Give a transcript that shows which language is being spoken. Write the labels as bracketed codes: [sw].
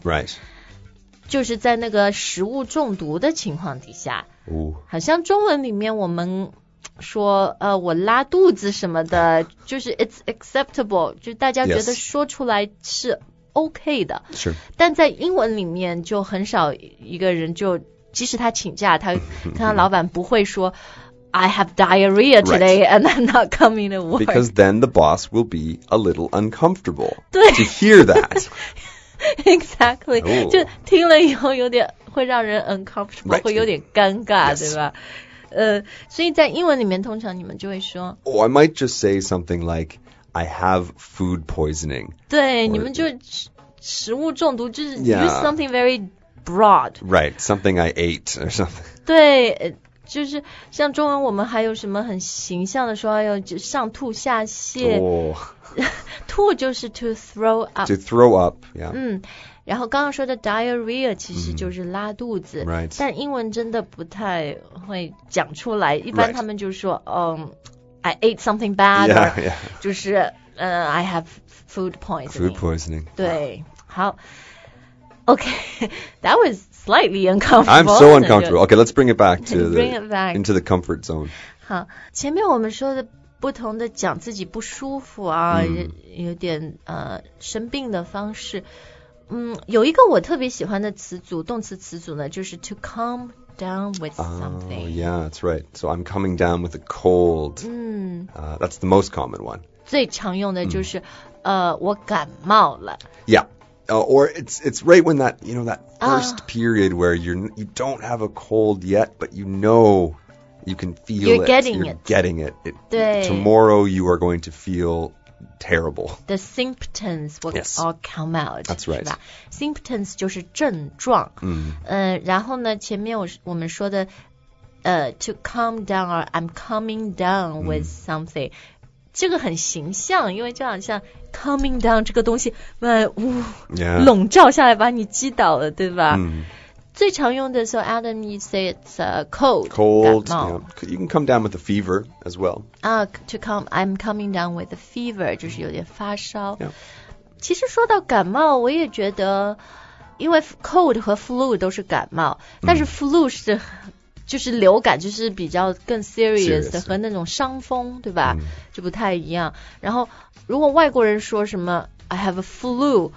[en] Right. [zh] 就是在那个食物中毒的情况底下。哦。好像中文里面我们说我拉肚子什么的，就是 [en] it's acceptable， [zh] 就大家觉得说出来是。 [en] Yes. [zh] OK 的是但在英文里面就很少一个人就即使他请假他看到老板不会说 [en] I have diarrhea today、 right. and I'm not coming to work because then the boss will be a little uncomfortable [zh] 对 [en] to hear that exactly、oh. [zh] 就听了以后有点会让人 [en] uncomfortable、 right. [zh] 会有点尴尬、 [en] yes. [zh] 对吧所以在英文里面通常你们就会说 [en] or、oh, I might just say something likeI have food poisoning. [zh] 对 or, 你们就 食物中毒就是 [en] use something very broad. Right, something I ate or something. [zh] 对就是像中文我们还有什么很形象的说哎呦就上吐下泻。 [en] Oh. [zh] 吐就是 [en] to throw up. To throw up, yeah. [zh] 嗯然后刚刚说的 diarrhea 其实就是拉肚子。 [en] Mm-hmm. Right. [zh] 但英文真的不太会讲出来一般他们就说、 [en] right. I ate something bad, yeah, yeah. [zh] 就是 [en] I have food poisoning. Food poisoning. [zh] 对、wow. [en] 好 Okay, that was slightly uncomfortable. I'm so uncomfortable. Okay, let's bring it back to bring the, it back. into the comfort zone. [zh] 好前面我们说的不同的讲自己不舒服啊、mm. 有点生病的方式有一个我特别喜欢的词组动词词组呢就是 [en] to calmdown with something. Oh, yeah, that's right. So I'm coming down with a cold. That's the most common one. [zh] 最常用的就是、mm. 我感冒了。 [en] Yeah. Or it's right when that, you know, that first period where you don't have a cold yet, but you know you can feel you're it. You're getting it. It. 对。 Tomorrow you are going to feel terrible. The symptoms will、 yes. all come out. That's right. [zh] Symptoms 就是症状、 mm. 然后呢前面我们说的 [en] to calm down or I'm coming down with something、 [zh] mm. 这个很形象因为就好像 coming down 这个东西笼罩下来把你击倒了对吧、 mm. 最常用的 [en] so Adam you say it's cold. Cold. Yeah. You can come down with a fever as well. I'm coming down with a fever. [zh] 就是有点发烧。 [en] Yeah. [zh] 其实说到感冒我也觉得因为 cold 和 flu 都是感冒、mm. 但是 flu 是就是流感就是比较更 serious 的 [en] serious. [zh] 和那种伤风对吧、mm. 就不太一样。然后如果外国人说什么 [en] I have a flu,、